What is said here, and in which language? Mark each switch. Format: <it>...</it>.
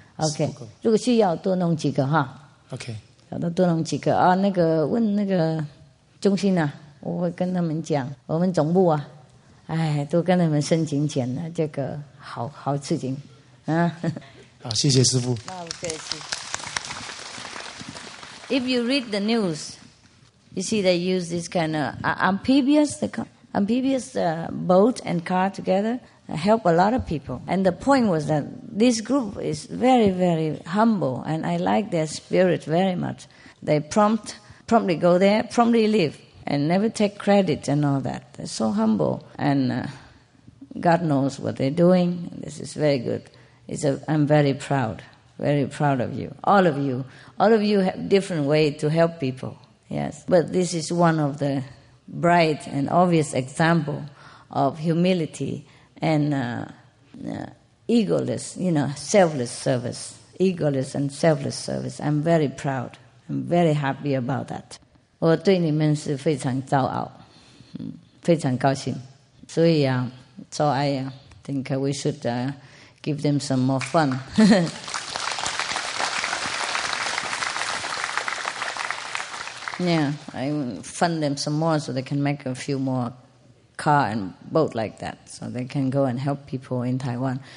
<zh>OK， 如果需要多弄几个哈。 OK。找到多弄几个啊，那个问那个中心啊，我会跟他们讲，我们总部啊，哎，都跟他们申请钱了，这个好事情，啊，好，谢谢师父。啊，不客气。</zh> <en>If you read the news, you see they use this kind of amphibious boat and car together help a lot of people. And the point was that this group is very, very humble, and I like their spirit very much. They promptly go there, promptly leave, and never take credit and all that. They're so humble, and God knows what they're doing. This is very good. I'm very proud, very proud of you. All of you have different way to help people, yes. But this is one of the bright and obvious example of humility and egoless, you know, selfless service. Egoless and selfless service. I'm very proud. I'm very happy about that.</en> <zh>我对你们是非常骄傲，非常高兴。</zh> <en>So I think we should give them some more fun. Yeah, I fund them some more so they can make a few more car and boat like that, so they can go and help people in Taiwan.</en>